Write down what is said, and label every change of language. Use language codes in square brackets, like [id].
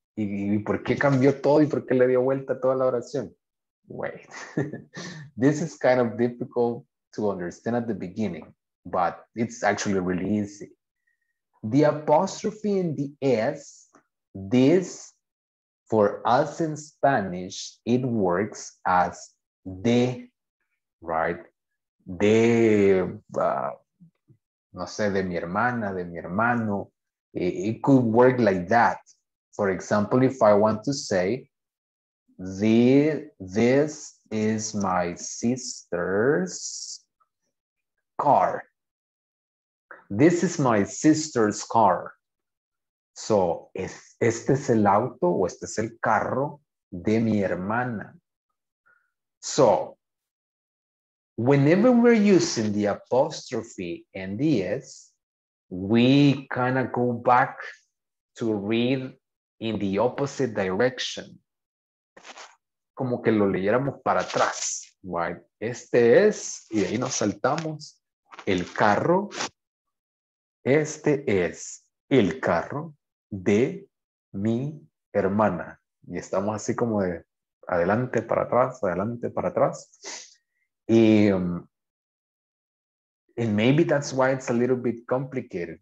[es] ¿Y por qué cambió todo? ¿Y por qué le dio vuelta toda la oración? [en] Wait. This is kind of difficult to understand at the beginning, but it's actually really easy. The apostrophe in the S, this, for us in Spanish, it works as de, right? [es] De, no sé, de mi hermana, de mi hermano. [en] It could work like that. For example, if I want to say, this is my sister's car. This is my sister's car. [es] So, este es el auto o este es el carro de mi hermana. [en] So, whenever we're using the apostrophe and the S, we kind of go back to read in the opposite direction. [es] Como que lo leyéramos para atrás, [en] right? [es] Este es, y de ahí nos saltamos, el carro. Este es el carro de mi hermana. Y estamos así como de adelante para atrás, adelante para atrás. [en] And maybe that's why it's a little bit complicated.